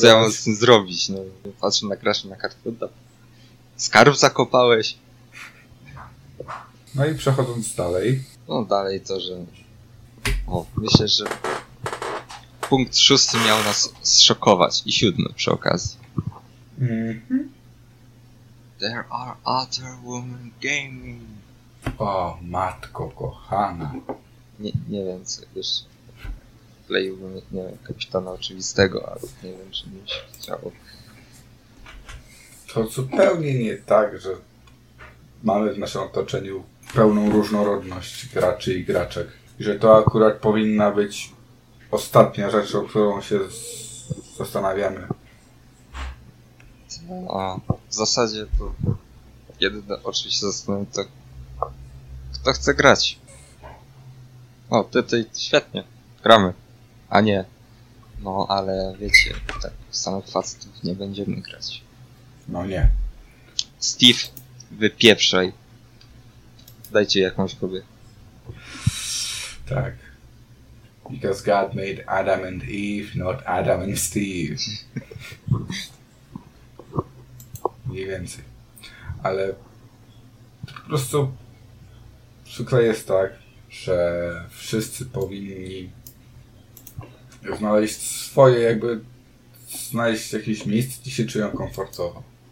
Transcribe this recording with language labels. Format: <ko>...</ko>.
<pl>Co ja mam z tym zrobić, Patrzę na kraszę, na kartkę, skarb zakopałeś. No i przechodząc dalej. No dalej to, że... myślę, że... Punkt 6 miał nas zszokować i 7 przy okazji.</pl> <en>There are other women gaming.</en> <pl>O, matko kochana. Nie wiem, co wiesz. Wkleiłbym, kapitana oczywistego, ale nie wiem, czy mi się chciało. To zupełnie nie tak, że mamy w naszym otoczeniu pełną różnorodność graczy i graczek. I że to akurat powinna być ostatnia rzecz, o którą się zastanawiamy. W zasadzie to jedyne, o czym się zastanawiam, to kto chce grać. Ty świetnie, gramy. A nie. Ale wiecie, tak samych facetów nie będziemy grać. No nie. Steve, wypieprzaj. Dajcie jakąś próbę. Tak.</pl> <en>Because God made Adam and Eve, not Adam and Steve.</en> <pl>Mniej więcej. Ale po prostu zwykle jest tak, że wszyscy powinni znaleźć swoje, jakby znaleźć jakieś miejsce, gdzie się czują komfortowo.</pl>